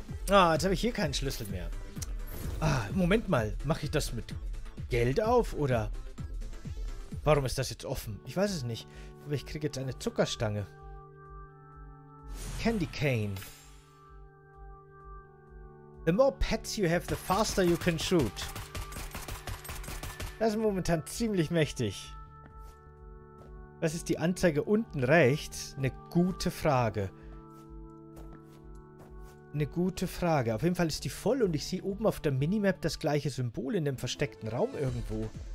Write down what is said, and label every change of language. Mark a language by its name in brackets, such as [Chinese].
[German] Ah, jetzt habe ich hier keinen Schlüssel mehr. Ah, Moment mal. Mache ich das mit Geld auf, oder? Warum ist das jetzt offen? Ich weiß es nicht. Aber ich kriege jetzt eine Zuckerstange. [English] Candy Cane. The more pets you have, the faster you can shoot. [German] Das ist momentan ziemlich mächtig. Was ist die Anzeige unten rechts? Eine gute Frage. Eine gute Frage. Auf jeden Fall ist die voll und ich sehe oben auf der Minimap das gleiche Symbol in dem versteckten Raum irgendwo.